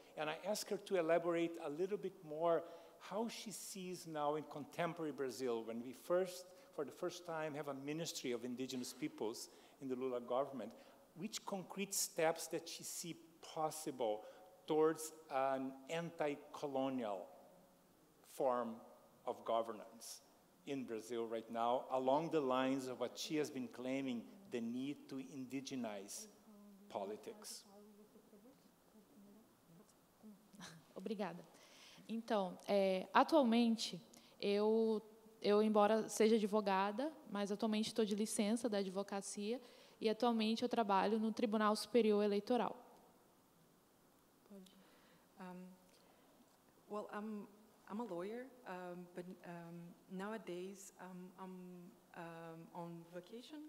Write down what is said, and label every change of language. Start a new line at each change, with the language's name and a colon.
English: And I ask her to elaborate a little bit more how she sees now in contemporary Brazil, when we for the first time have a ministry of indigenous peoples in the Lula government, which concrete steps that she see possible towards an anti-colonial form of governance in Brazil right now, along the lines of what she has been claiming, the need to indigenize politics.
Portuguese: Obrigada. Então, atualmente, eu embora seja advogada, mas atualmente estou de licença da advocacia e atualmente eu trabalho no Tribunal Superior Eleitoral.
English: Well, I'm a lawyer, but nowadays I'm on vacation.